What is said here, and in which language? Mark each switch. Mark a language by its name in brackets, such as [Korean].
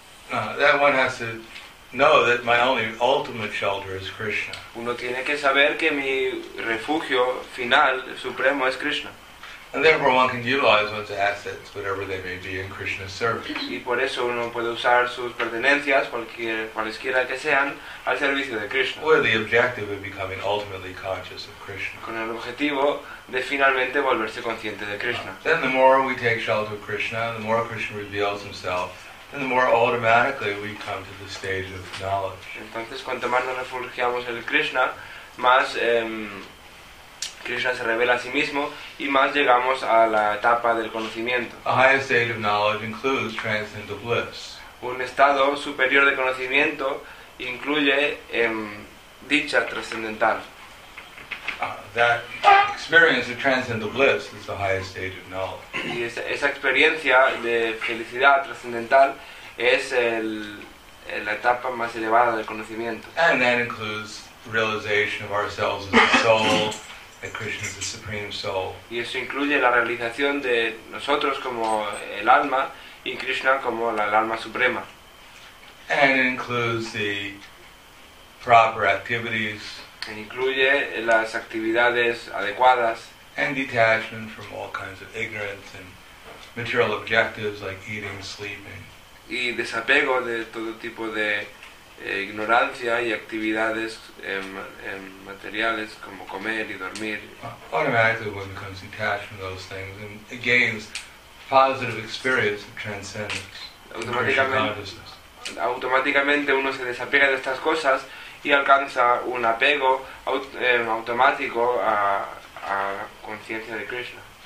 [English] That one has to know that my only ultimate shelter is Krishna. [Spanish] Uno tiene que saber que mi refugio final, supremo, es Krishna. [English] And therefore one can utilize one's assets, whatever they may be, in Krishna's service. [Spanish] Y por eso uno puede usar sus pertenencias, cualesquiera que sean, al servicio de Krishna. [English] With the objective of becoming ultimately conscious of Krishna. [Spanish] Con el objetivo de finalmente volverse consciente de Krishna. [English] Then the more we take shelter of Krishna, the more Krishna reveals himself, and the more automatically we come to the stage of knowledge. [Spanish] Entonces, cuanto más nos refugiamos en Krishna, más Krishna se revela a sí mismo y más llegamos a la etapa del conocimiento. [English] A higher state of knowledge includes transcendental bliss. [Spanish] Un estado superior de conocimiento incluye dicha trascendental. [English] That experience of transcendental bliss is the highest stage of knowledge. [Spanish] Y esa experiencia de felicidad trascendental es la etapa más elevada del conocimiento. [English] And that includes realization of ourselves as a soul, that Krishna is the supreme soul. [Spanish] Y eso incluye la realización de nosotros como el alma y Krishna como el alma suprema. [English] And it includes the proper activities. [Spanish] Incluye las actividades adecuadas. [English] And detachment from all kinds of ignorance and material objectives like eating, sleeping. [Spanish] Y desapego de todo tipo de ignorancia y actividades materiales como comer y dormir. [English] Automatically one becomes detached from those things and gains positive experience of transcendence. [Spanish] Automáticamente uno se desapega de estas cosas y alcanza un apego automático a la conciencia de Krishna.